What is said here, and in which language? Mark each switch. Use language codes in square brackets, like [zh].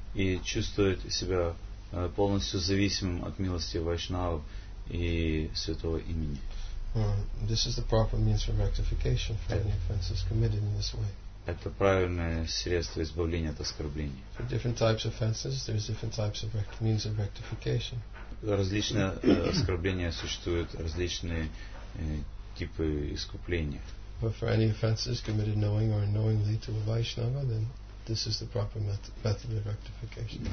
[ru] И чувствовать себя полностью зависимым от милости Вайшнава и святого имени. [en] This is the proper means for rectification for any offenses committed in this way. [ru] Это правильное средство избавления от оскорблений. [en] For different types of offenses, there is different types of means of rectification. [ru] Различные оскорбления существуют различные типы искупления. [en] But for any offenses committed knowing or unknowingly to a Vaishnava, then this is the proper method of rectification.